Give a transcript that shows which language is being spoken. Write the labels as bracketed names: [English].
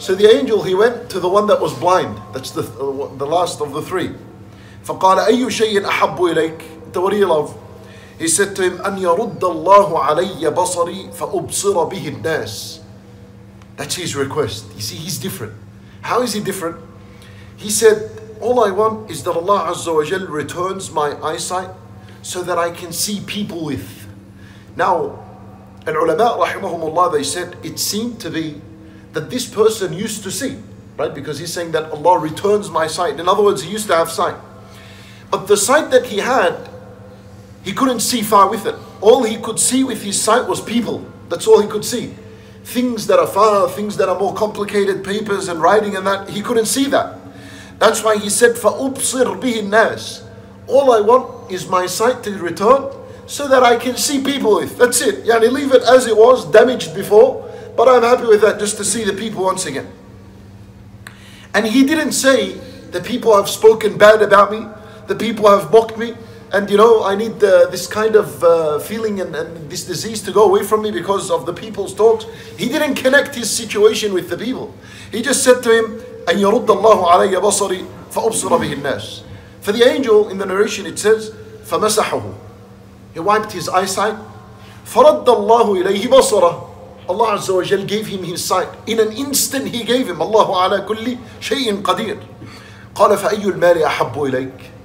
[English] So the angel, he went to the one that was blind. That's the last of the three. [Arabic] فَقَالَ أَيُّ شَيْءٍ أَحَبُّ إِلَيْكَ. [English] What do you love? He said to him, [Arabic] أَنْ يَرُدَّ اللَّهُ عَلَيَّ بَصَرِي فَأُبْصِرَ بِهِ النَّاسِ. [English] That's his request. You see, he's different. How is he different? He said, all I want is that Allah Azza wa Jal returns my eyesight so that I can see people with. Now, al-ulama rahimahumullah, they said, it seemed to be that this person used to see, right? Because he's saying that Allah returns my sight. In other words, he used to have sight. But the sight that he had, he couldn't see far with it. All he could see with his sight was people. That's all he could see. Things that are far, things that are more complicated, papers and writing and that, he couldn't see that. That's why he said, [Arabic] فَأُبْصِرْ بِهِ النَّاسِ. [English] All I want is my sight to return so that I can see people with. That's it. Yani leave it as it was, damaged before. But I'm happy with that, just to see the people once again. And he didn't say, the people have spoken bad about me, the people have mocked me, and you know, I need this kind of feeling and this disease to go away from me because of the people's talks. He didn't connect his situation with the people. He just said to him, [Arabic] أَنْ يَرُدَّ اللَّهُ عَلَيَّ بَصَرِي فَأُبْصِرَ بِهِ النَّاسِ. [English] For the angel, in the narration it says, [Arabic] فَمَسَحَهُ. [English] He wiped his eyesight. [Arabic] فَرَدَّ اللَّهُ إِلَيْهِ بَصَرَهُ. [English] Allah Azza wa Jal gave him his sight. In an instant he gave him. [Arabic] Allahu ala kulli shay'in qadir. قَالَ فَأَيُّ الْمَالِ أَحَبُّ إِلَيْكَ.